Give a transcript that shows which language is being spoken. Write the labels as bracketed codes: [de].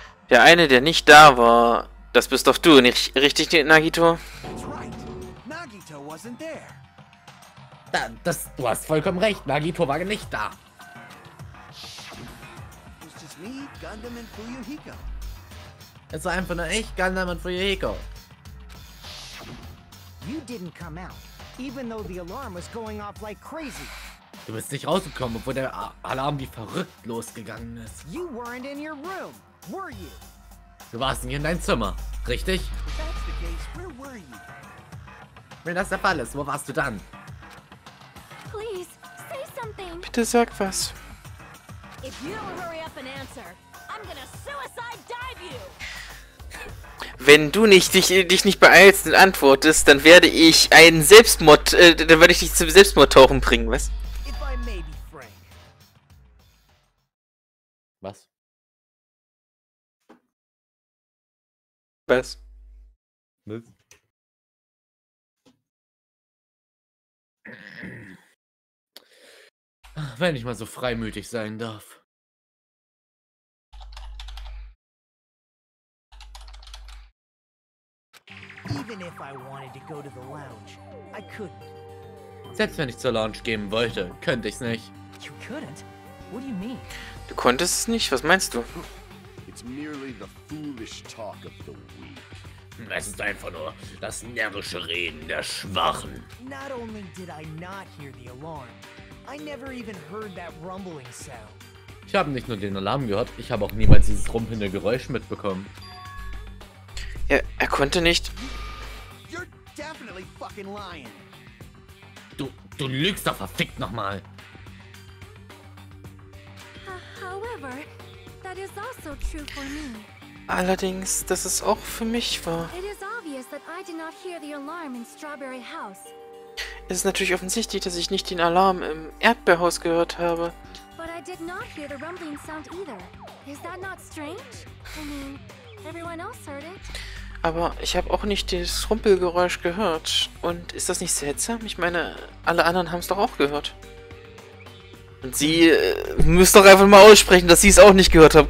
[de] Der eine, der nicht da war, das bist doch du, nicht richtig, Nagito? [en] Right. Nagito wasn't there. [de] Du hast vollkommen recht, Nagito war nicht da. [en] Me, Gundam and Fuyuhiko. [de] Es war einfach nur ich, Gundam und Fuyuhiko. [en] You didn't come out, even though the alarm was going off like crazy. [de] Du bist nicht rausgekommen, obwohl der Alarm wie verrückt losgegangen ist. [en] You weren't in your room, were you? [de] Du warst nicht in deinem Zimmer, richtig? [en] If that's the case, where were you? [de] Wenn das der Fall ist, wo warst du dann? [en] Please, say something. [de] Bitte sag was. [en] If you don't hurry up and answer, I'm gonna suicide dive you. [de] Wenn du dich nicht beeilst und antwortest, dann werde ich einen Selbstmord, dann werde ich dich zum Selbstmordtauchen bringen, was? [en] If I may be frank. [de] Was? Was? Was? Wenn ich mal so freimütig sein darf. [en] Even if I wanted to go to the lounge, I couldn't. [de] Selbst wenn ich zur Lounge gehen wollte, könnte ich's nicht. [en] You couldn't? What do you mean? [de] Du konntest es nicht? Was meinst du? [en] It's merely the foolish talk of the weak. [de] Es ist einfach nur das närrische Reden der Schwachen. [en] Not only did I not hear the alarm, I never even heard that rumbling sound. [de] Ich habe nicht nur den Alarm gehört, ich habe auch niemals dieses rumpelnde Geräusch mitbekommen. Ja, er konnte nicht. [en] You're definitely fucking lying. [de] Du lügst doch verfickt nochmal. [en] However, That is also true for me. [de] Allerdings, das ist auch für mich wahr. [en] It is obvious that I did not hear the alarm in Strawberry House. [de] Es ist natürlich offensichtlich, dass ich nicht den Alarm im Erdbeerhaus gehört habe. [en] But I did not hear the rumbling sound either. Is that not strange? I mean, everyone else heard it. [de] Aber ich habe auch nicht das Rumpelgeräusch gehört. Und ist das nicht seltsam? Ich meine, alle anderen haben es doch auch gehört. Und sie müsst doch einfach mal aussprechen, dass sie es auch nicht gehört haben.